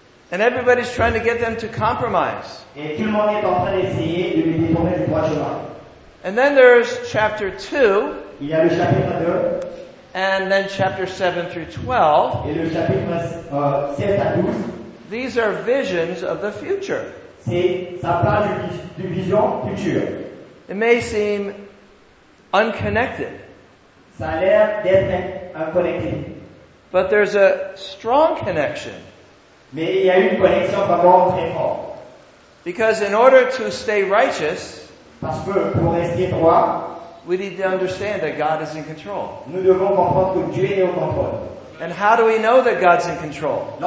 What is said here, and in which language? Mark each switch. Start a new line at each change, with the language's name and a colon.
English: And everybody's trying to get them to compromise.
French: Et tout le monde est en train d'essayer de lui détourner du droit chemin.
English: And then there's chapter 2.
French: Il y a le chapitre 2.
English: And then chapter 7 through 12.
French: Et le chapitre 7 à 12.
English: These are visions of the future.
French: Ça parle d'une vision future.
English: It may seem unconnected.
French: Ça a l'air d'être inconnecté.
English: But there's a strong connection.
French: Mais il y a une connexion vraiment très forte.
English: Because in order to stay righteous,
French: parce que pour rester droit,
English: we need to understand that God is in control.
French: Nous devons comprendre que Dieu est au contrôle.
English: And how do we know that God's in control?